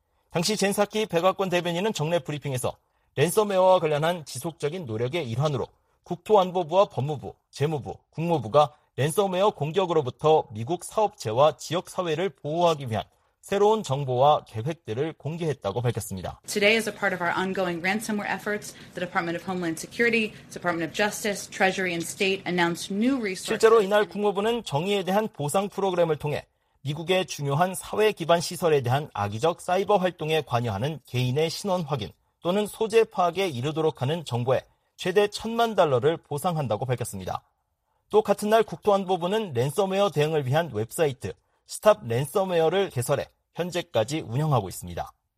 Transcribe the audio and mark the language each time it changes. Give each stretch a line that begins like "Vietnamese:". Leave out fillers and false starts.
Korean: 당시 젠 사키 백악관 대변인은 정례 브리핑에서 랜섬웨어와 관련한 지속적인 노력의 일환으로 국토안보부와 법무부, 재무부, 국무부가 랜섬웨어 공격으로부터 미국 사업체와 지역사회를 보호하기 위한 새로운 정보와 계획들을 공개했다고 밝혔습니다.
English: Today is a part of our ongoing ransomware efforts. The Department of Homeland Security, Department of Justice, Treasury and State announced new resources.
Korean: 실제로 이날 국무부는 정의에 대한 보상 프로그램을 통해 미국의 중요한 사회 기반 시설에 대한 악의적 사이버 활동에 관여하는 개인의 신원 확인 또는 소재 파악에 이르도록 하는 정보에 최대 1천만 달러를 보상한다고 밝혔습니다. 또 같은 날 국토안보부는 랜섬웨어 대응을 위한 웹사이트 스탑 랜섬웨어를 개설해 현재까지 운영하고 있습니다.